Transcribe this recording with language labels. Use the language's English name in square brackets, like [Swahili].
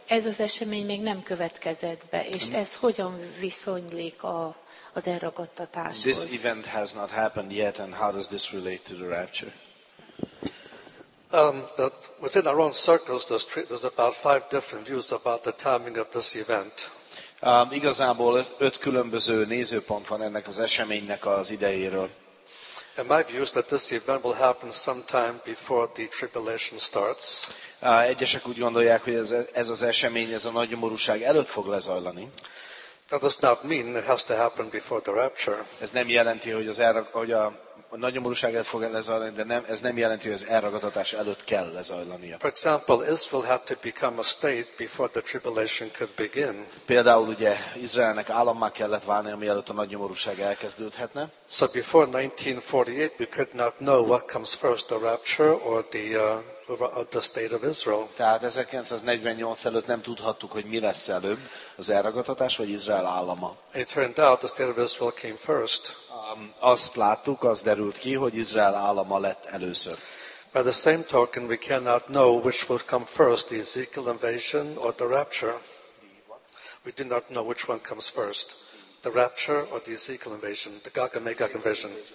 [Hungarian] Ez az esemény még nem következett be, és ez hogyan viszonylik az elragadtatáshoz? [English] This event has not happened yet, and how does this relate to the rapture? That within our own circles, there's about 5 different views about the timing of this event. [Hungarian] Igazából 5 különböző nézőpont van ennek az eseménynek az idejéről. [English] And my view is that this event will happen sometime before the tribulation starts. [Hungarian] Egyesek úgy gondolják, hogy ez az esemény, ez a nagy nyomorúság előtt fog lezajlani. [English] That does not mean it has to happen before the rapture. [Hungarian] Ez nem jelenti, hogy a nagy nyomorúságot fog lezajlani, de nem, ez nem jelenti, hogy az elragadtatás előtt kell lezajlania. [English] For example, Israel had to become a state before the tribulation could begin. [Hungarian] Például ugye Izraelnek állammá kellett válni, mielőtt a nagy nyomorúság elkezdődhetne. [English] So before 1948 we could not know what comes first, the rapture or the state of Israel. [Hungarian] Tehát 1948 előtt nem tudhattuk, hogy mi lesz előbb, az elragadtatás vagy Izrael állama. [English] It turned out the state of Israel came first. [Hungarian] Azt láttuk, az derült ki, hogy Izrael állama lett először. [English] By the same token, we cannot know which will come first, the Ezekiel invasion or the rapture. We do not know which one comes first, the rapture or the Ezekiel invasion, the Gog and Magog invasion.